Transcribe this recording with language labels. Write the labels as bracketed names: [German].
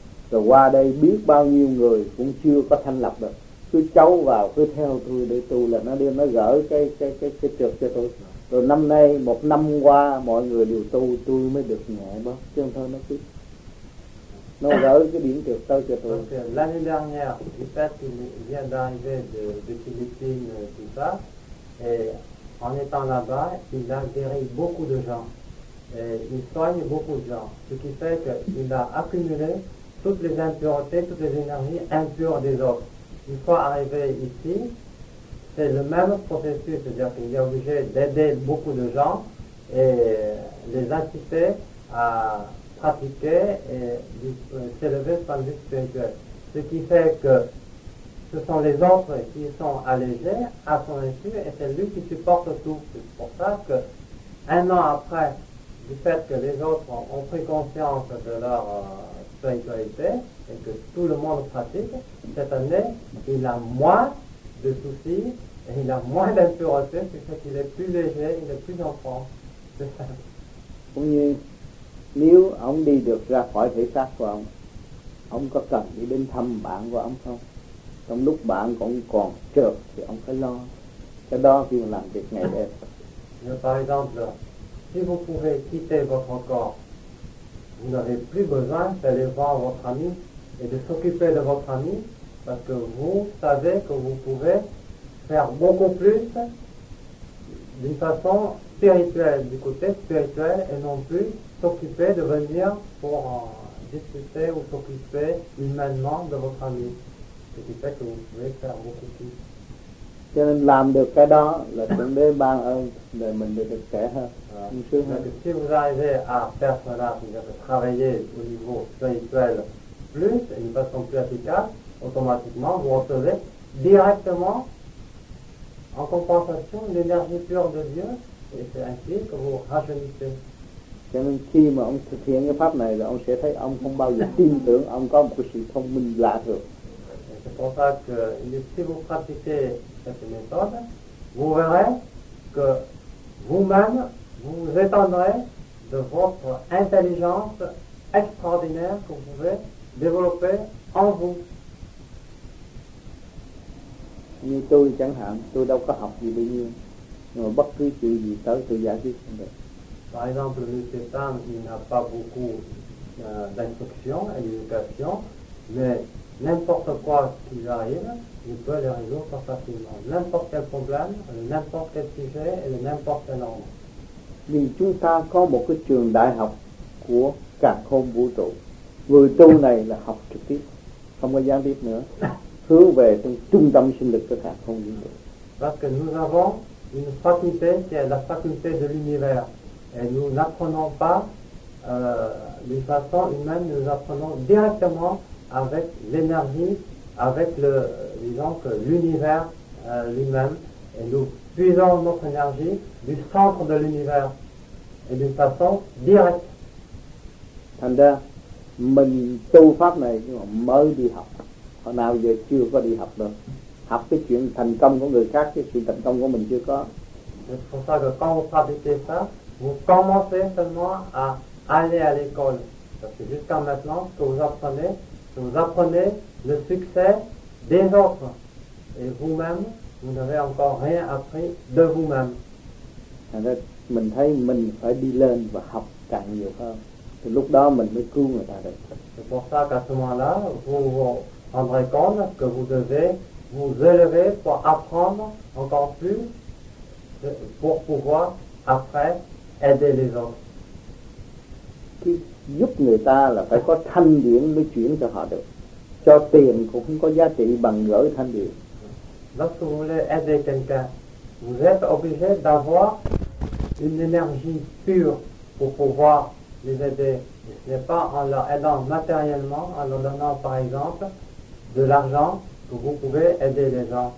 [Vietnamese] Rồi qua đây biết bao nhiêu người cũng chưa có thanh lập được. Cứ cháu vào, cứ theo tôi để tu là nó đi, nó gỡ cái trượt cho tôi. Rồi năm nay, một năm qua, mọi người đều tu, tôi mới được nhẹ bớt. Chứ không thôi, nó cứ nó gỡ cái điểm trượt tôi cho tôi. [English] Okay. [French] L'année dernière, il fait qu'il vient d'arriver de Philippines, tout ça. Et en étant là-bas, il a guéri beaucoup de gens. Et il soigne beaucoup de gens, ce qui fait qu'il a accumulé toutes les impuretés, toutes les énergies impures des autres. Une fois arrivé ici, c'est le même processus, c'est-à-dire qu'il est obligé d'aider beaucoup de gens et les inciter à pratiquer et s'élever sur le plan spirituel. Ce qui fait que ce sont les autres qui sont allégés à son insu et c'est lui qui supporte tout. C'est pour ça que un an après, du fait que les autres ont pris conscience de leur spiritualité et que tout le monde pratique, cette année, il a moins de soucis et il a moins d'impureté, c'est ça qu'il est plus léger, il est plus enfant. [Vietnamese] Cũng như nếu ông đi được ra khỏi thể xác của ông có cần đi đến thăm bạn của ông không? Trong lúc bạn còn trượt thì ông phải lo. Cái đó khi mà làm việc ngày đêm. [French] Par exemple, si vous pouvez quitter votre corps, vous n'avez plus besoin d'aller voir votre ami et de s'occuper de votre ami parce que vous savez que vous pouvez faire beaucoup plus d'une façon spirituelle, du côté spirituel, et non plus s'occuper de venir pour discuter ou s'occuper humainement de votre ami. Ce qui fait que vous pouvez faire beaucoup plus. [Vietnamese] Cho nên làm được cái đó là Thượng Đế ban ơn để mình được trẻ hơn. [French] Si vous arrivez à faire cela, c'est-à-dire travailler au niveau spirituel plus, et d'une façon plus efficace, automatiquement vous recevez directement en compensation l'énergie pure de Dieu, et c'est ainsi que vous rajeunissez. [Vietnamese] Cho nên khi mà ông thực hiện cái pháp này, là ông sẽ thấy ông không bao giờ tin tưởng ông có một sự thông minh lạ thường. [French] C'est pour ça que si vous pratiquez cette méthode, vous verrez que vous-même, vous vous étonnerez de votre intelligence extraordinaire que vous pouvez développer en vous. [Vietnamese] Như tôi chẳng hạn, tôi đâu có học gì bao nhiêu, nhưng mà bất cứ chuyện gì tới tôi giải quyết không được. [French] Par exemple, le Tétan, il n'a pas beaucoup d'instruction et d'éducation, mais n'importe quoi qui lui arrive, il peut le résoudre facilement. N'importe quel problème, n'importe quel sujet et n'importe quel nombre. [Vietnamese] Vì chúng ta có một cái trường đại học của càn khôn vũ trụ. Người tu này là học trực tiếp, không có gián tiếp nữa. Hướng về trung tâm sinh lực của càn khôn vũ trụ. [French] Parce que nous avons une faculté qui est la faculté de l'univers. Et nous n'apprenons pas d'une façon humaine, nous apprenons directement avec l'énergie, avec le, disons que l'univers lui-même, et nous puisons notre énergie du centre de l'univers, et d'une façon directe. [Vietnamese] Thành ra, mình tu pháp này nhưng mà mới đi học, hồi nào giờ chưa có đi học được. Học cái chuyện thành công của người khác, cái chuyện thành công của mình chưa có. [French] C'est pour ça que quand vous pratiquez ça, vous commencez seulement à aller à l'école. Parce que jusqu'à maintenant, ce que vous apprenez, vous apprenez le succès des autres. Et vous-même, vous n'avez encore rien appris de vous-même. [Vietnamese] Alors, mình thấy mình phải đi lên và học càng nhiều hơn. Thì lúc đó mình mới cứu người ta được. [French] C'est pour ça qu'à ce moment-là, vous vous rendrez compte que vous devez vous élever pour apprendre encore plus, pour pouvoir après aider les autres. [Vietnamese] Giúp người ta là phải có thanh điển mới chuyển cho họ được. Cho tiền cũng không có giá trị bằng gửi thanh điển. [French] Lorsque vous voulez aider quelqu'un, vous êtes obligé d'avoir une énergie pure pour pouvoir les aider. Ce n'est pas en leur aidant matériellement, en leur donnant par exemple de l'argent que vous pouvez aider les gens.